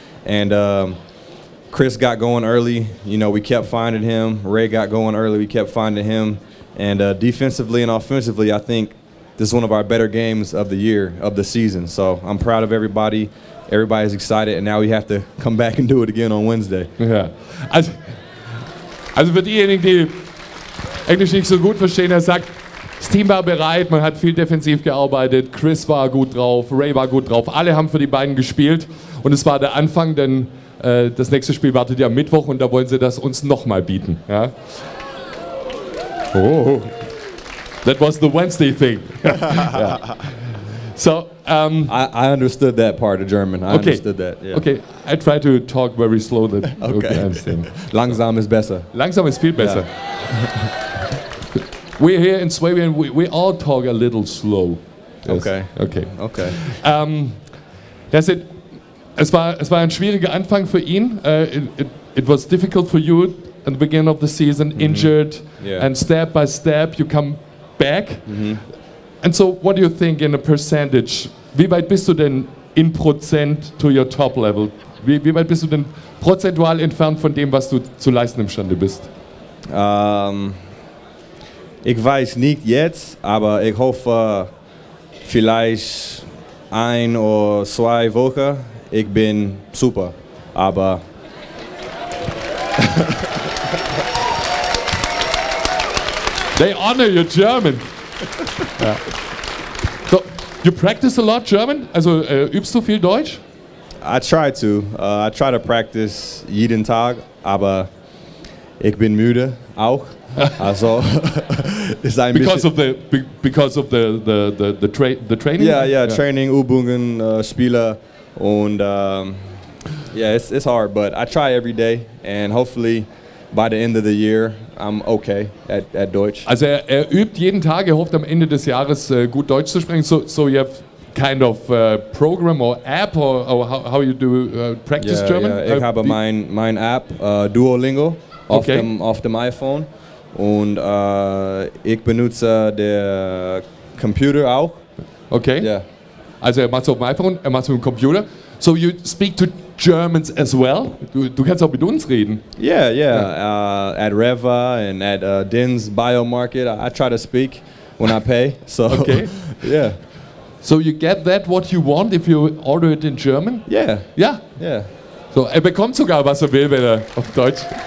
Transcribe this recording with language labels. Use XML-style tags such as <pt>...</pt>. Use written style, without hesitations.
<en>And Chris got going early. You know, we kept finding him. Ray got going early. We kept finding him. And defensively and offensively, I think this is one of our better games of the year, of the season. So I'm proud of everybody. Everybody's excited and now we have to come back and do it again on Wednesday.</en> <de>Ja. Also für diejenigen, die Englisch nicht so gut verstehen, er sagt, das Team war bereit, man hat viel defensiv gearbeitet, Chris war gut drauf, Ray war gut drauf, alle haben für die beiden gespielt und es war der Anfang, denn das nächste Spiel wartet ja am Mittwoch und da wollen sie das uns nochmal bieten.</de> <en>Ja? Oh, that was the Wednesday thing.</en> <de>Ja.</de> <en>So, I understood that part of German. Understood that. Yeah. Okay, I try to talk very slowly. Okay. Okay,</en> <de>langsam ist besser. Langsam ist viel besser.</de> <en>Yeah. We're here in Swabian, we all talk a little slow. Yes. Okay. Okay. Okay. That's it.</en> <de>Es war ein schwieriger Anfang für ihn.</de> <en>It was difficult for you at the beginning of the season, mm-hmm. injured. Yeah. And step by step, you come back. Mm-hmm. And so, what do you think in a percentage?</en> <de>Wie weit bist du denn in Prozent</de> <en>to your top level?</en> <de>Wie weit bist du denn prozentual entfernt von dem, was du zu leisten imstande bist? Ich weiß nicht jetzt, aber ich hoffe vielleicht ein oder zwei Wochen. Ich bin super, aber.</de> <en>They honor you, German. Yeah. So, you practice a lot German?</en> <de>Also, übst du viel Deutsch?</de> <en>I try to. I try to practice</en> <de>jeden Tag, aber ich bin müde auch. Also, ist ein</de> <en>because</en> <de>bisschen</de> <en>of the training. Yeah. Training,</en> <de>Übungen, Spiele und</de> <en>it's hard, but I try every day and hopefully by the end of the year, I'm okay at Deutsch.</en> <de>Also er übt jeden Tag, er hofft am Ende des Jahres gut Deutsch zu sprechen.</de> <en>So you have kind of program or app or how you do practice German?</en> <de>Yeah. Ich habe mein App Duolingo auf dem iPhone und ich benutze der Computer auch.</de> <en>Okay. Yeah.</en> <de>Also er macht es auf dem iPhone, er macht es mit dem Computer.</de> <en>So you speak to Germans as well?</en> <de>Du kannst auch mit uns reden.</de> <en>Yeah. At Reva and at Den's Bio Market, I try to speak when I pay. So okay. Yeah. So you get that what you want if you order it in German? Yeah. Yeah. Yeah.</en> <de>So er bekommt sogar was er will, wenn er auf Deutsch.</de>